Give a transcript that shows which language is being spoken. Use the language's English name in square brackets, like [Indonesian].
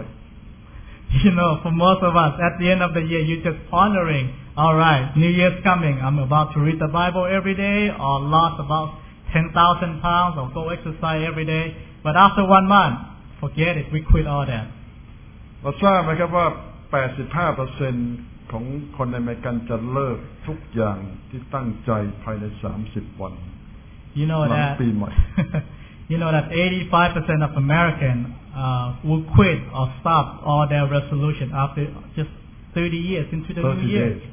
[English] You know, for most of us, at the end of the year, you're just pondering, all right, New Year's coming, I'm about to read the Bible every day, or lost about 10,000 pounds, or go exercise every day, but after 1 month, forget it, we quit all that. [Thai] เราทราบไหมครับว่า 85%ของคนในอเมริกันจะเลิกทุกอย่างที่ตั้งใจภายใน30วัน [English] You know that You know that 85% of Americans will quit or stop all their resolution after just 30 years into the new year